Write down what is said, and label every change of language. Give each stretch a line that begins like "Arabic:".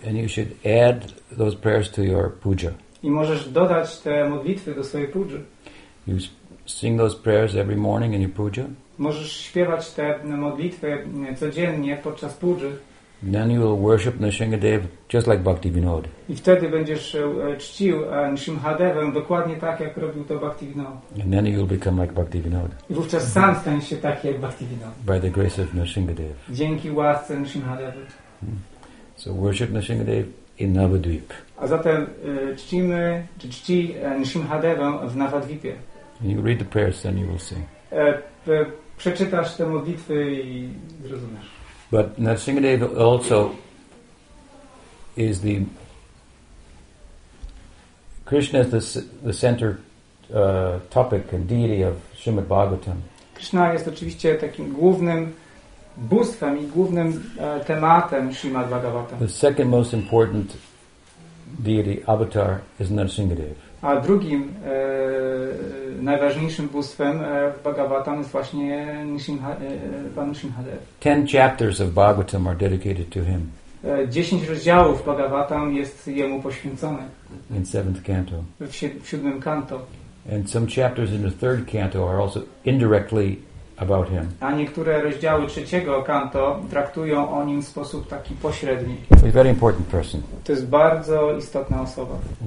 English: And you should add those prayers to your puja.
Polish: I możesz dodać te modlitwy do swojej puja.
English: You sing those prayers every morning in your puja.
Polish: Możesz śpiewać te modlitwy codziennie podczas puja.
English: Then you will worship Narsimhadev just like Bhaktivinoda.
Polish: I wtedy będziesz czcił Narsimhadevę dokładnie tak, jak robił to Bhaktivinoda.
English: And then you will become like Bhaktivinoda.
Polish: I wówczas sam staniesz się taki jak Bhaktivinoda.
English: By the grace of Narsimhadev.
Polish: Dzięki łasce Narsimhadevy.
English: So worship Narsimhadev in Navadvip.
Polish: A zatem czcimy, czy czci Narsimhadevę w Navadvipie.
English: And you read the prayers, then you will sing.
Polish: Przeczytasz te modlitwy i zrozumiesz.
English: But Narsimhadev also is the Krishna is the center topic and deity of Srimad Bhagavatam.
Polish: Krishna jest oczywiście takim głównym bóstwem i głównym tematem Srimad Bhagavatam.
English: The second most important deity avatar is Narsingadev.
Polish: A drugim najważniejszym bóstwem w Bhagavatam jest właśnie Pan Nrsimhadev.
English: 10 chapters of Bhagavatam are dedicated to him.
Polish: 10 rozdziałów Bhagavatam jest jemu poświęcone.
English: In seventh canto.
Polish: W siódmym kanto.
English: And some chapters in the third canto are also indirectly about him.
Polish: A niektóre rozdziały trzeciego kanto traktują o nim w sposób taki pośredni.
English: A very important person.
Polish: To jest bardzo istotna osoba.